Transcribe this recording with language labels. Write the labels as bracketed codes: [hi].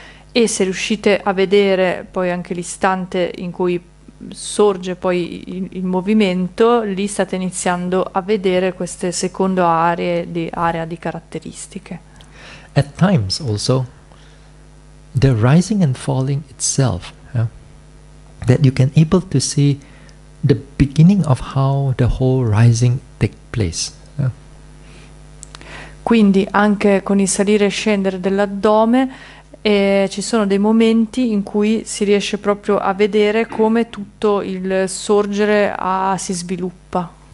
[it] E se riuscite a vedere poi anche l'istante in cui sorge poi il movimento, lì state iniziando a vedere queste secondo area di caratteristiche. [en] At times also, the rising and falling itself, yeah, that you can able to see the beginning of how the whole rising take place. Yeah. [it] Quindi anche con il salire e scendere dell'addome, e ci sono dei momenti in cui si riesce proprio a vedere come tutto il sorgere si sviluppa.